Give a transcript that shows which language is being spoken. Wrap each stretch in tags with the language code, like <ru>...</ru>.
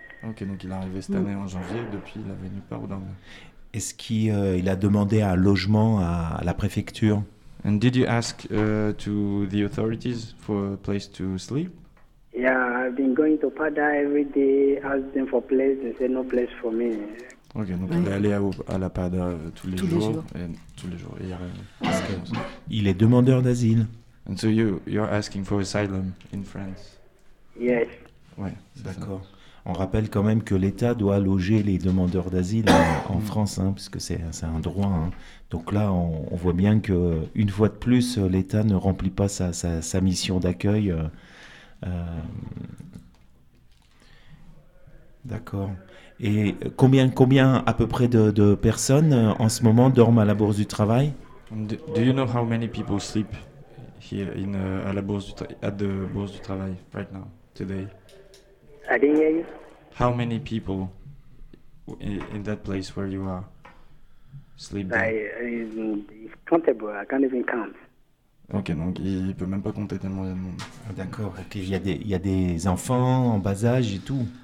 <fr>Okay, donc il est arrivé cette année en janvier. Depuis, il avait nulle part où dormir. Est-ce qu'il a demandé un logement à la préfecture?</fr> <en>And did you ask to the authorities for a place to sleep? Yeah, I've been going to Pada every day, asking them for place, they said no place for me.</en> <fr>Ok, donc il est allé à la Pada tous les jours. Et il est demandeur d'asile.</fr> <en>And so you're asking for asylum in France? Yes.</en> <fr>Ouais, d'accord. Ça. On rappelle quand même que l'État doit loger les demandeurs d'asile en France, hein, puisque c'est un droit. Hein. Donc là, on voit bien que une fois de plus, l'État ne remplit pas sa mission d'accueil. D'accord. Et combien à peu près de personnes en ce moment dorment à la Bourse du Travail?</fr> <en>Do you know how many people sleep here in at the Bourse du Travail right now today? I didn't hear you. How many people in that place where you are sleep? It's countable. I can't even count.</en> <fr>Okay, donc il peut même pas compter tellement il y a de monde. Ah, d'accord. Okay, il y a des enfants en bas âge et tout.</fr>